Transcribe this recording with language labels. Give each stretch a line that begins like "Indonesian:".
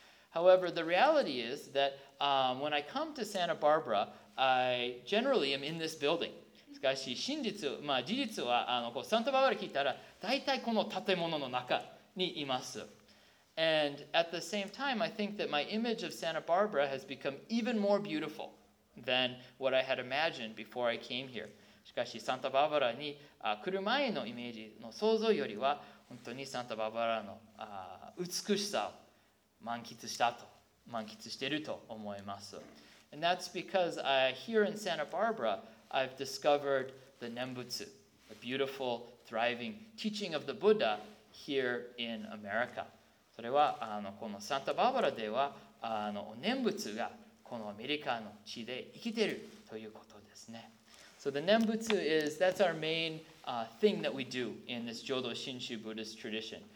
English: However, the reality is that, when I come to Santa Barbara, I generally am in this building.
Japanese: しかし真実、まあ、事実はこうサンタバーバラ聞いたら大体この建物の中にいます。
English: And at the same time, I think that my image of Santa Barbara has become even more beautiful than what I had imagined before I came here.
Japanese: しかしサンタバーバラに来る前のイメージの想像よりは本当にサンタバーバラの美しさを満喫していると思います。
English: And that's because here in Santa Barbara,I've discovered the Nembutsu, a beautiful, thriving teaching of the Buddha here in America.
Japanese: それはこのサンタバーバラでは Nembutsu がこのアメリカの地で生きているということですね。
English: So the Nembutsu is, that's our main thing that we do in this Jodo Shinshu Buddhist tradition.